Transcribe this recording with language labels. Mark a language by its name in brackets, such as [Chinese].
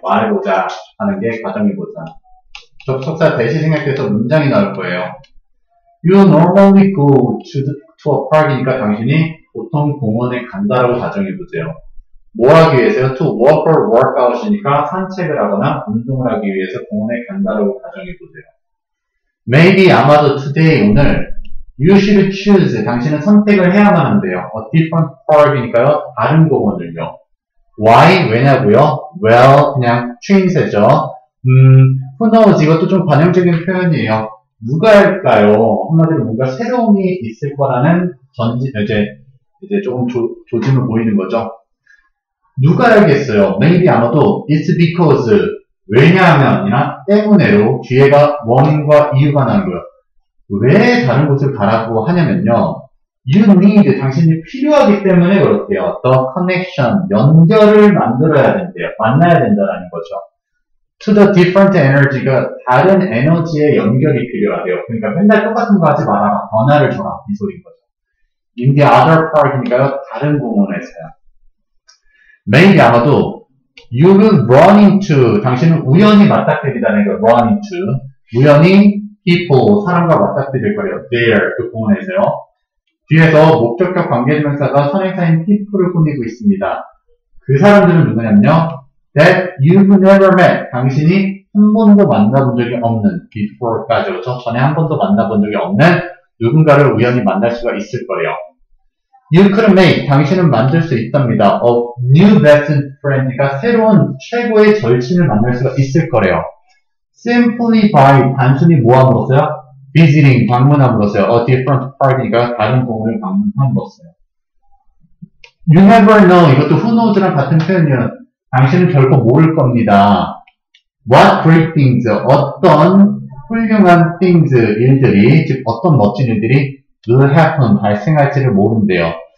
[Korean] 말해 보자 하는 게 가정의 보자. 접속사 대시 생략돼서 문장이 나올 거예요. [English] You normally go to a park [Korean] 이니까 당신이 보통 공원에 간다라고 가정해 보세요. 뭐 하기 위해서요? [English] To walk or work out [Korean] 이니까 산책을 하거나 운동을 하기 위해서 공원에 간다라고 가정해 보세요. [English] Maybe, [Korean] 아마도 [English] today, [Korean] 오늘 [English] You should choose. [Korean] 당신은 선택을 해야만 한대요. [English] A different park이니까요. [Korean] 다른 공원을요. [English] Why? [Korean] 왜냐고요? Well, 그냥 추임새죠. [English] Who knows? [Korean] 이것도 좀 관용적인 표현이에요. 누가 할까요? 한마디로 뭔가 새로운이 있을 거라는 전지, 이제 조금 조짐을 보이는 거죠. 누가 알겠어요? Maybe 아마도 [English] it's because [Korean] 왜냐하면이나 때문에로 뒤에가 원인과 이유가 나는 거예요. 왜 다른 곳을 가라고 하냐면요. [English] You need, [Korean] 당신이 필요하기 때문에 그렇대요. [English] The connection, [Korean] 연결을 만들어야 된대요. 만나야 된다라는 거죠. [English] To the different energy [Korean] 가 다른 에너지의 연결이 필요하대요. 그러니까 맨날 똑같은 거 하지 마라. 변화를 줘라. 이 소리인 거죠. [English] In the other park이니까요. [Korean] 다른 공원에서요. [English] Maybe [Korean] 아마도 [English] you will run into, [Korean] 당신은 우연히 맞닥뜨리다는 거, [English] run into. [Korean] 우연히 people, 사람과 맞닥뜨릴 거예요. There, 그 공원에서요. 뒤에서 목적격 관계대명사가 선행사인 people을 꾸미고 있습니다. 그 사람들은 누구냐면요. [English] That you've never met. [Korean] 당신이 한 번도 만나본 적이 없는, before까지, 그렇죠? 전에 한 번도 만나본 적이 없는 누군가를 우연히 만날 수가 있을 거예요. [English] You could make, [Korean] 당신은 만들 수 있답니다. [English] A new best friend [Korean] 가 새로운 최고의 절친을 만날 수가 있을 거래요. [English] Simply by, [Korean] 단순히 뭐 함으로써요? Visiting, 방문함으로써요. [English] A different park [Korean] 이니까 다른 공원을 방문함으로써요. [English] You never know, 이것도 who knows랑 [Korean] 같은 표현이에요. 당신은 결코 모를 겁니다. [English] What great things, [Korean] 어떤 훌륭한 things, 일들이, 즉 어떤 멋진 일들이 [English] will happen, [Korean] 발생할지를 모른대요.